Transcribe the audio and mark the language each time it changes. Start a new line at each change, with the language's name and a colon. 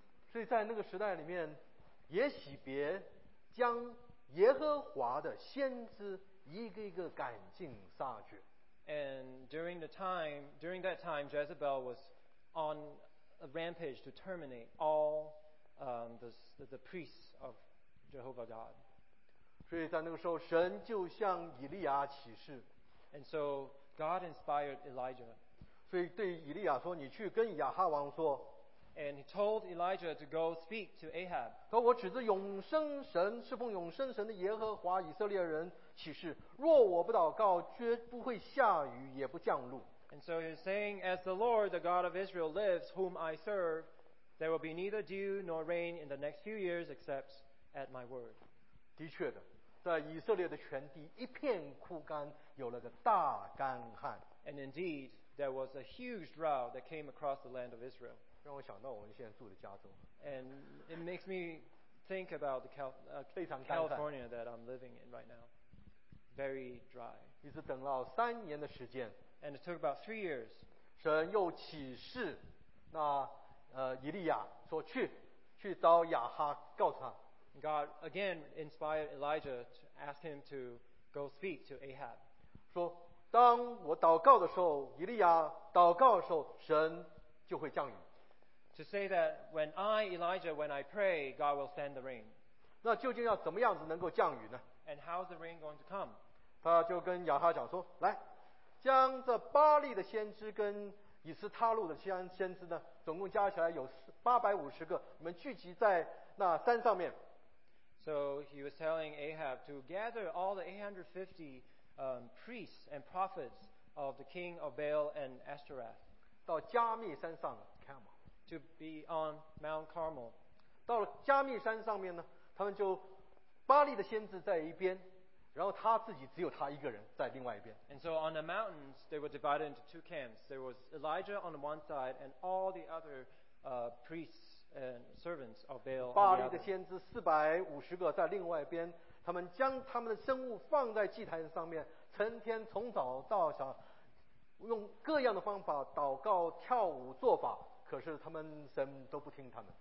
Chinese: 所以在那个时代里面，耶洗别将耶和华的先知一个一个赶尽杀绝。
English: And during that time, Jezebel was on a rampage to terminate all the priests of Jehovah God.
Chinese: 所以在那个时候，神就向以利亚启示。
English: And so God inspired Elijah.
Chinese: 所以对以利亚说，你去跟亚哈王说。
English: And he told Elijah to go speak to Ahab.
Chinese: 说我指着永生神，侍奉永生神的耶和华以色列人起誓，若我不祷告，绝不会下雨，也不降露。
English: And so he's saying, as the Lord, the God of Israel, lives, whom I serve, there will be neither dew nor rain in the next few years, except at my word.
Chinese: 的确的，在以色列的全地一片枯干，有了个大干旱。
English: And indeed. There was a huge drought that came across the land of Israel.
Chinese: 让我想到我们现在住的加州。
English: And it makes me think about the California that I'm living in right now. Very dry.
Chinese: 一直等了三年的时间。
English: And it took about 3 years.
Chinese: 神又启示那以利亚说去找亚哈告诉他。
English: God again inspired Elijah to ask him to go speak to Ahab.
Chinese: 说当我祷告的时候，以利亚祷告的时候，神就会降雨。
English: To say that when I, Elijah, when I pray, God will send the rain.
Chinese: 那究竟要怎么样子能够降雨呢？
English: And how's the rain going to come?
Chinese: 他就跟亚哈讲说，来，将这巴利的先知跟以斯他录的先知呢，总共加起来有850个，你们聚集在那山上面。
English: So he was telling Ahab to gather all the 850priests and prophets of the king of Baal and Ashtoreth
Chinese: 到加密山上 Carmel,
English: to be on Mount Carmel.
Chinese: 到了加密山上面呢，他们就巴利的先知在一边，然后他自己只有他一个人在另外一边。
English: And so on the mountains, they were divided into two camps. There was Elijah on the one side and all the other priests and servants of Baal.
Chinese: 巴利的先知450个在另外一边，他们将他们的生物放在祭坛上面，成天从早到晚用各样的方法祷告跳舞做法，可是他们神都不听他们。